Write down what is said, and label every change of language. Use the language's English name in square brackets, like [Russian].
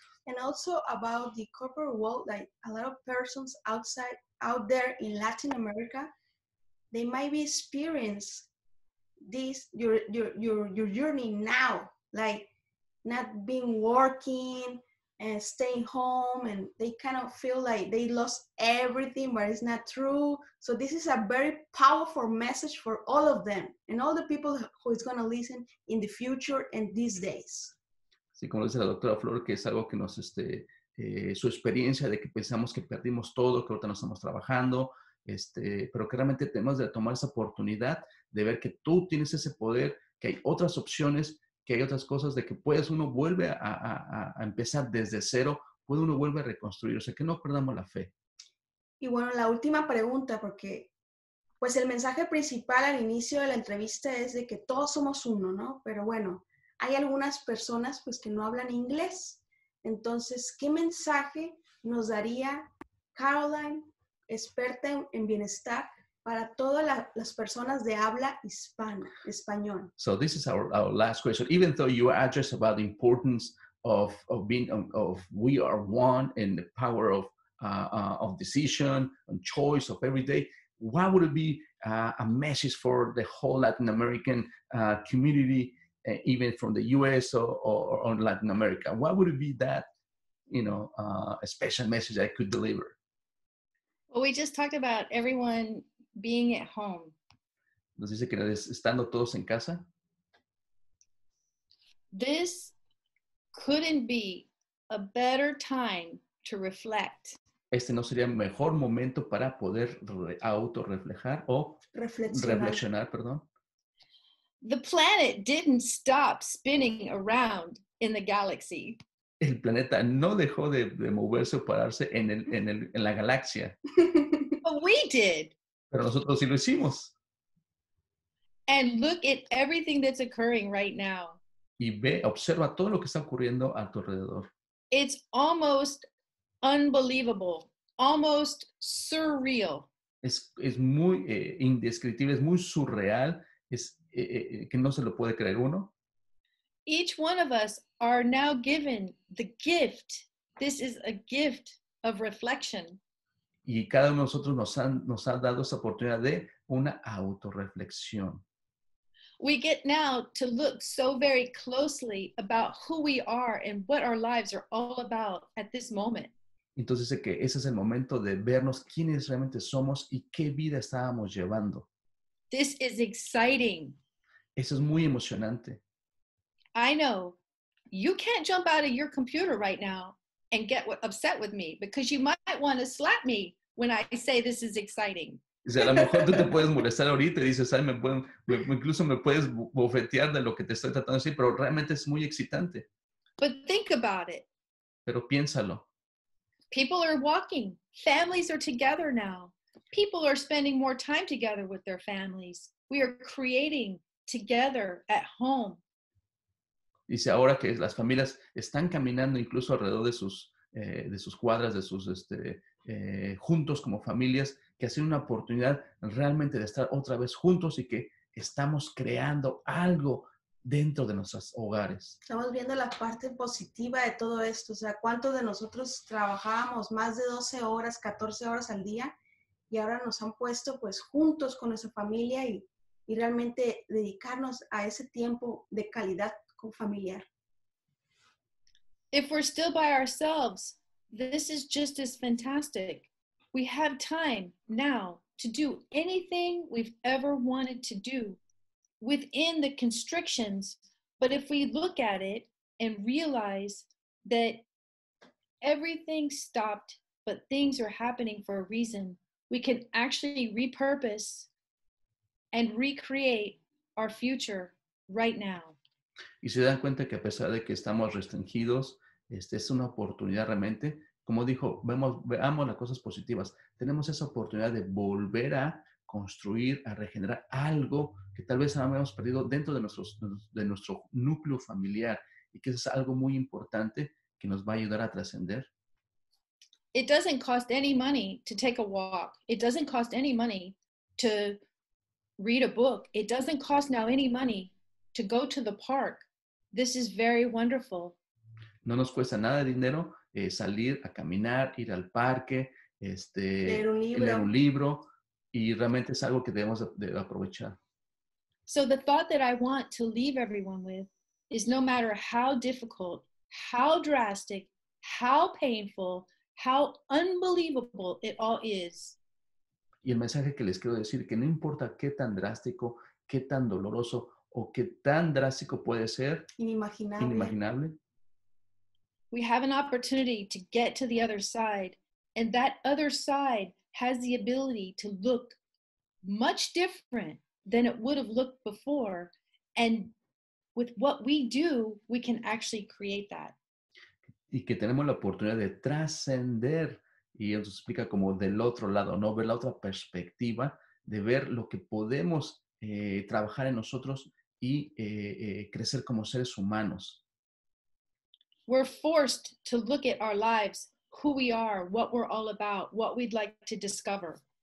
[English] And also about the corporate world, like a lot of persons out there in Latin America, they might be experiencing this your journey now, like not being working and staying home, and they kind of feel like they lost everything, but it's not true. So this is a very powerful message for all of them and all the people who is going to listen in the future and these days. [Spanish] Sí, como dice la doctora Flor, que es algo que nos, su experiencia de que pensamos que perdimos todo, que ahorita no estamos trabajando, pero que realmente tenemos de tomar esa oportunidad de ver que tú tienes ese poder, que hay otras opciones, que hay otras cosas, de que puedes uno vuelve a empezar desde cero, puede uno vuelve a reconstruir, o sea, que no perdamos la fe. Y bueno, la última pregunta, porque pues el mensaje principal al inicio de la entrevista es de que todos somos uno, ¿no? Pero bueno, hay algunas personas pues que no hablan inglés. Entonces, ¿qué mensaje nos daría Caroline, experta en bienestar, para todas las personas de habla hispana, español? [English] So this is our last question. Even though you address about the importance of being, of we are one and the power of decision and choice of every day, what would it be a message for the whole Latin American community, even from the U.S. or Latin America? What would it be that, you know, a special message I could deliver? Well, we just talked about everyone being at home. [Spanish] Nos dice que estando todos en casa. [English] This couldn't be a better time to reflect. [Spanish] Este no sería mejor momento para poder autorreflejar o reflexionar, perdón. [English] The planet didn't stop spinning around in the galaxy. [Spanish] El planeta no dejó de moverse o pararse en la galaxia. [English] But we did. [Spanish] Pero nosotros sí lo hicimos. [English] And look at everything that's occurring right now. [Spanish] Y ve, observa todo lo que está ocurriendo a tu alrededor. [English] It's almost unbelievable, almost surreal. [Spanish] Es muy indescriptible, es muy surreal, es que no se lo puede creer uno. [English] Each one of us are now given the gift. This is a gift of reflection. [Spanish] Y cada uno de nosotros nos ha dado esa oportunidad de una autorreflexión. [English] We get now to look so very closely about who we are and what our lives are all about at this moment. [Spanish] Entonces, que ese es el momento de vernos quiénes realmente somos y qué vida estábamos llevando. [English] This is exciting. [Spanish] Eso es muy emocionante. [English] I know. You can't jump out of your computer right now and get upset with me because you might want to slap me when I say this is exciting. [Spanish] O sea, a lo mejor tú te puedes molestar ahorita y dices, ay, incluso me puedes bofetear de lo que te estoy tratando de decir, pero realmente es muy excitante. [English] But think about it. [Spanish] Pero piénsalo. [English] People are walking. Families are together now. People are spending more time together with their families. We are creating together at home. [Spanish] Dice ahora que las familias están caminando incluso alrededor de sus cuadras, de sus juntos como familias, que ha sido una oportunidad realmente de estar otra vez juntos y que estamos creando algo dentro de nuestros hogares. Estamos viendo la parte positiva de todo esto. O sea, ¿cuántos de nosotros trabajábamos más de 12 horas, 14 horas al día? Y ahora nos han puesto pues juntos con nuestra familia y realmente dedicarnos a ese tiempo de calidad con familiar. [English] If we're still by ourselves, this is just as fantastic. We have time now to do anything we've ever wanted to do within the constrictions. But if we look at it and realize that everything stopped, but things are happening for a reason, we can actually repurpose and recreate our future right now. [Spanish] Y se dan cuenta que a pesar de que estamos restringidos, esta es una oportunidad realmente. Como dijo, veamos las cosas positivas. Tenemos esa oportunidad de volver a construir, a regenerar algo que tal vez habíamos perdido dentro de nuestro núcleo familiar y que es algo muy importante que nos va a ayudar a trascender. [English] It doesn't cost any money to take a walk. It doesn't cost any money to read a book. It doesn't cost now any money to go to the park. This is very wonderful. [Spanish] No nos cuesta nada de dinero salir a caminar, ir al parque, leer un libro, y realmente es algo que debemos de aprovechar. [English] So the thought that I want to leave everyone with is no matter how difficult, how drastic, how painful, how unbelievable it all is. [Spanish] Y el mensaje que les quiero decir, que no importa qué tan drástico, qué tan doloroso, o qué tan drástico puede ser, inimaginable. [English] We have an opportunity to get to the other side, and that other side has the ability to look much different than it would have looked before, and with what we do, we can actually create that. [Spanish] Y que tenemos la oportunidad de trascender y él nos explica como del otro lado, ¿no? Ver la otra perspectiva, de ver lo que podemos trabajar en nosotros y crecer como seres humanos. [English] We're forced to look at our lives, who we are, what we're all about, what we'd like to discover.